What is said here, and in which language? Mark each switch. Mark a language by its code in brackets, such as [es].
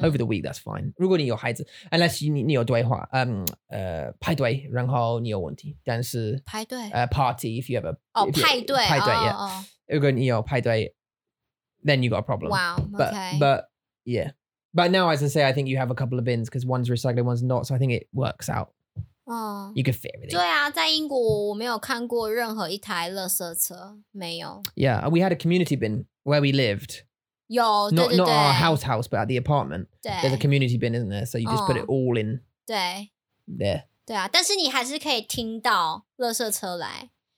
[en] Over the week, that's fine. [zh] 如果你有孩子, [en] unless you, [zh] 你有对话,派对,然后你有问题。但是, 派对。 [en] Party, if you have a... [zh] Oh, 派对。派对, oh, [en] yeah. Oh, oh. [zh] 如果你有派对, [en] then you got a problem. Wow, okay. But yeah. But now, as I say, I think you have a couple of bins because one's recycling, one's not. So I think it works out. Oh. You can fit everything. [zh] 对啊，在英国我没有看过任何一台垃圾车，没有。 [en] Yeah, we had a community bin where we lived. [zh] 有，对对对。 [en] Not our house, but at the apartment. [zh] 对。 [en] There's a community bin, isn't there? So you just put it all in. [zh] 对。 [en] There. [zh] 对啊，但是你还是可以听到垃圾车来。